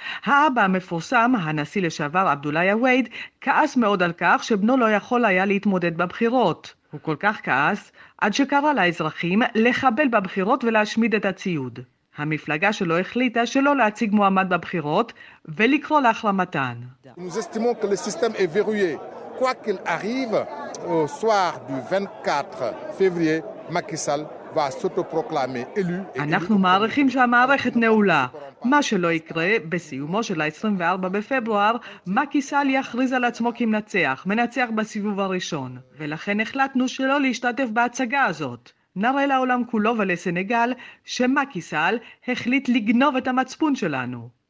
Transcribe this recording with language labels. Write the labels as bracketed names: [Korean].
[Hebrew] האבא המפורסם, הנשיא לשעבר אבדוליה וייד, כעס מאוד על כך שבנו לא יכול היה להתמודד בבחירות. הוא כל כך כעס עד שקרא לאזרחים לחבל בבחירות ולהשמיד את הציוד. המפלגה שלו החליטה שלא להציג מועמד בבחירות ולקרוא להחרמתן. [French] Nous estimons que le système est verrouillé. Quoi qu'il arrive, au soir du 24 février, Macky Sall va s'autoproclamer élu. [Hebrew] אנחנו מעריכים שהמערכת נעולה. מה שלא יקרה, בסיומו של ה-24 בפברואר, מקי סאל יכריז על עצמו כמנצח, מנצח בסיבוב הראשון. ולכן החלטנו שלא להשתתף בהצגה הזאת. נראה לעולם כולו ולסנגל שמקי סאל החליט לגנוב את המצפון שלנו.